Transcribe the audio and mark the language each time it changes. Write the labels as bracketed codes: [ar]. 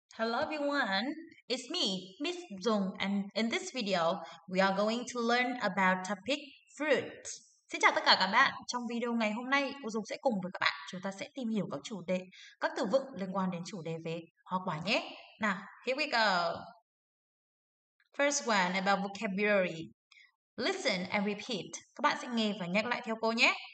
[en] Hello everyone, it's me, Miss Dung, and in this video, we are going to learn about topic fruit. [vi] Xin chào tất cả các bạn. Trong video ngày hôm nay, cô Dung sẽ cùng với các bạn, chúng ta sẽ tìm hiểu các chủ đề, các từ vựng liên quan đến chủ đề về hoa quả nhé. [en] Nào, here we go. First one about vocabulary. Listen and repeat. [vi] Các bạn sẽ nghe và nhắc lại theo cô nhé.